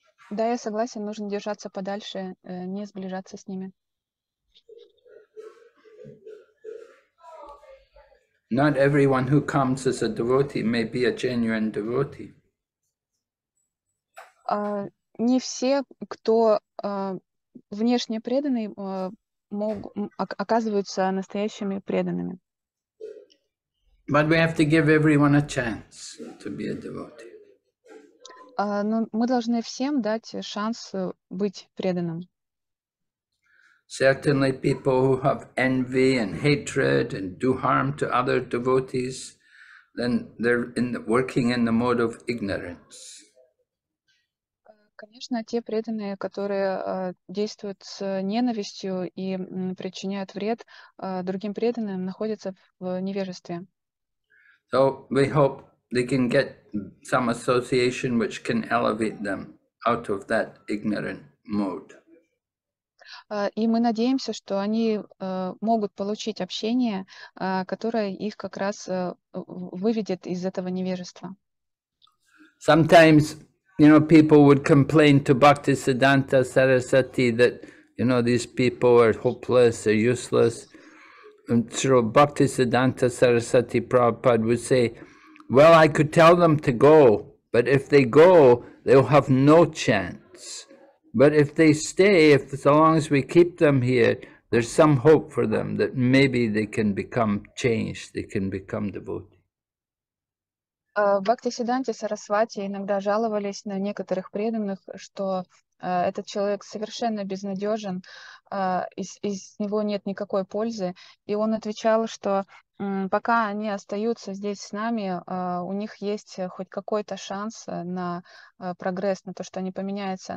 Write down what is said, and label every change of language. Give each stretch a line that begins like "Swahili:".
Russian: Да, я согласен, нужно держаться подальше, не сближаться с ними.
English: Not everyone who comes as a devotee may be a genuine devotee.
Russian: Не все, кто внешне преданный, оказываются настоящими преданными.
English: But we have to give everyone a chance to be a devotee.
Russian: Но мы должны всем дать шанс быть преданным.
English: Certainly people who have envy and hatred and do harm to other devotees, then they're in the, working in the mode of ignorance.
Russian: Конечно, те преданные, которые действуют с ненавистью и причиняют вред другим преданным, находятся в невежестве.
English: So we hope they can get some association which can elevate them out of that ignorant mode.
Russian: И мы надеемся, что они могут получить общение, которое их как раз выведет из этого невежества.
English: Sometimes, you know, people would complain to Bhaktisiddhanta Sarasvati that, you know, these people are hopeless, they're useless. And so Bhaktisiddhanta Sarasvati Prabhupada would say, well, I could tell them to go, but if they go, they'll have no chance. But if they stay, if so long as we keep them here, there's some hope for them that maybe they can become changed, they can become devotees.
Russian: Бхактисиддханте Сарасвати иногда жаловались на некоторых преданных, что этот человек совершенно безнадежен, из него нет никакой пользы. И он отвечал, что пока они остаются здесь с нами, у них есть хоть какой-то шанс на прогресс, на то, что они поменяются.